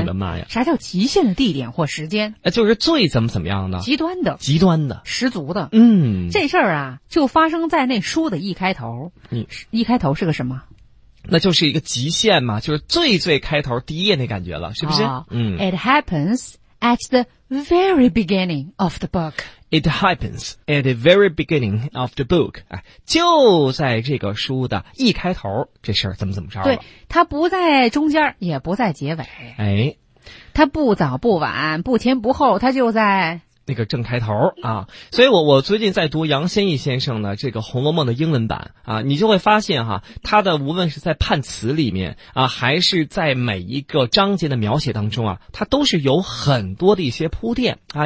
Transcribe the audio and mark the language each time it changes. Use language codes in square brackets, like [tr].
[zh] 我的妈呀！啥叫极限的地点或时间？就是最怎么怎么样呢？极端的，极端的，十足的。嗯，这事儿啊，就发生在那书的一开头。一开头是个什么？那就是一个极限嘛，就是最最开头第一页那感觉了，是不是？ [en] It happens at the very beginning of the book. It happens at the very beginning of the book. [zh] 就在这个书的一开头，这事儿怎么怎么着了？对，它不在中间，也不在结尾。哎，它不早不晚，不前不后，它就在那个正开头啊。所以我最近在读杨先义先生的这个《红楼梦》的英文版啊，你就会发现哈，他的无论是在判词里面啊，还是在每一个章节的描写当中啊，他都是有很多的一些铺垫啊。